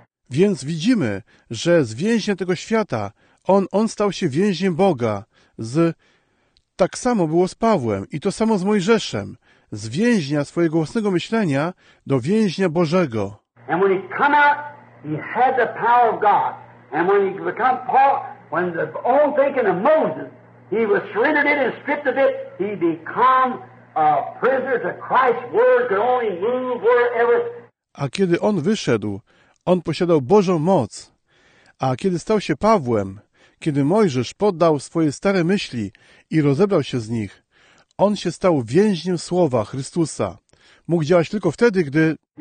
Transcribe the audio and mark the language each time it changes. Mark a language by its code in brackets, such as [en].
[pl] Więc widzimy, że z więźnia tego świata on stał się więźniem Boga. Tak samo było z Pawłem i to samo z Mojżeszem. Z więźnia swojego własnego myślenia do więźnia Bożego. [en] And when he come out, he had the power of God. And when he become Paul, when the old thinking of Moses, he was surrendered it and stripped of it, he become a prisoner to Christ's word, could only move wherever. [pl] A kiedy on wyszedł, on posiadał Bożą moc. A kiedy stał się Pawłem, kiedy Mojżesz poddał swoje stare myśli i rozebrał się z nich, on się stał więźniem słowa Chrystusa. Mógł działać tylko wtedy, gdy...